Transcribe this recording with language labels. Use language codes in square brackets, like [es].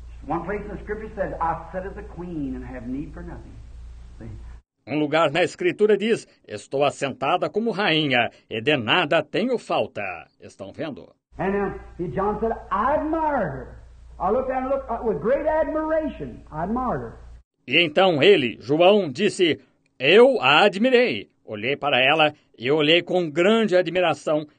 [en] One place in the scripture says, I sit as a queen and have need for nothing. [pt] Um lugar na escritura diz, estou assentada como rainha e de nada tenho falta. Estão vendo? [en] And then John said, I admire her. I looked at her with great admiration. I admire her. [pt] E então ele, João, disse, eu a admirei. Olhei para ela e olhei com grande admiração.